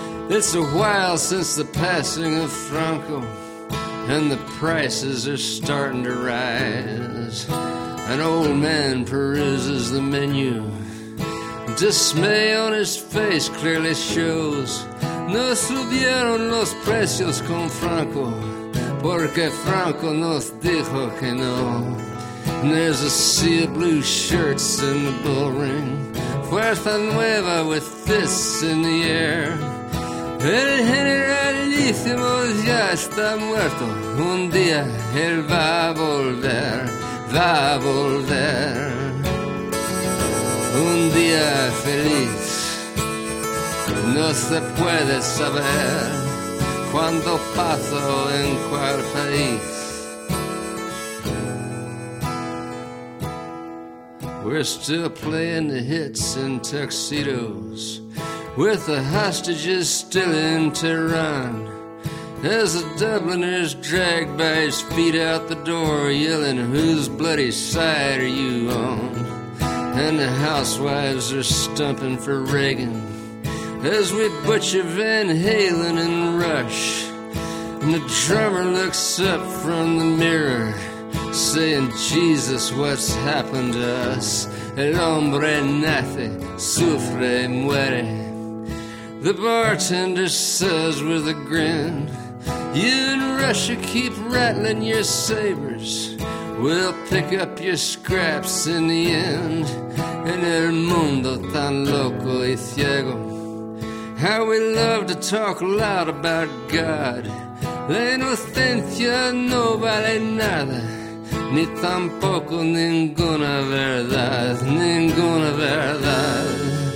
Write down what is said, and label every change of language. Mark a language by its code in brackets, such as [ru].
[en] It's a while since the passing of Franco, and the prices are starting to rise. An old man peruses the menu. Dismay on his face clearly shows. [es] No subieron los precios con Franco. Porque Franco nos dijo que no. [en] And there's a sea of blue shirts in the bull ring. Fuerza Nueva with fists in the air. [es] El generalísimo ya está muerto. Un día él va a volver, va a volver. Un día feliz. No se puede saber. Cuando paso en cual país. [en] We're still playing the hits in tuxedos, with the hostages still in Tehran. As the Dubliners dragged by his feet out the door, yelling, whose bloody side are you on? And the housewives are stumping for Reagan. As we butcher Van Halen and Rush, and the drummer looks up from the mirror, saying, Jesus, what's happened to us? [es] El hombre nace, sufre, muere. [en] The bartender says with a grin, you in Russia keep rattling your sabers. We'll pick up your scraps in the end. [es] En el mundo tan loco y ciego. [en] How we love to talk loud about God. [es] La inocencia no vale nada. Ni tampoco ninguna verdad. Ninguna verdad.